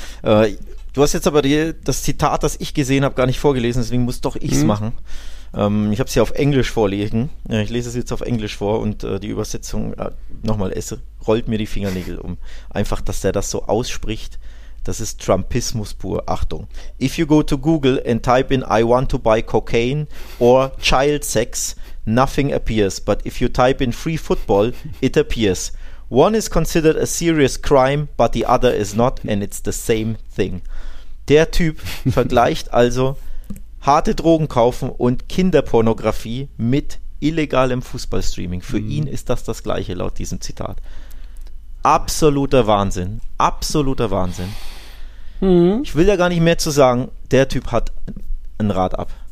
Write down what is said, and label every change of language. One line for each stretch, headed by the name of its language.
German: Du hast jetzt aber das Zitat, das ich gesehen habe, gar nicht vorgelesen, deswegen muss doch ich es machen. Ich habe es hier auf Englisch vorlegen. Ich lese es jetzt auf Englisch vor und die Übersetzung, nochmal, es rollt mir die Fingernägel um. Einfach, dass der das so ausspricht, das ist Trumpismus pur. Achtung.
English: If you go to Google and type in I want to buy cocaine or child sex, nothing appears. But if you type in free football, it appears. One is considered a serious crime, but the other is not and it's the same thing.
German: Der Typ vergleicht also harte Drogen kaufen und Kinderpornografie mit illegalem Fußballstreaming. Für ihn ist das Gleiche, laut diesem Zitat. Absoluter Wahnsinn. Absoluter Wahnsinn. Ich will ja gar nicht mehr zu sagen, der Typ hat ein Rad ab.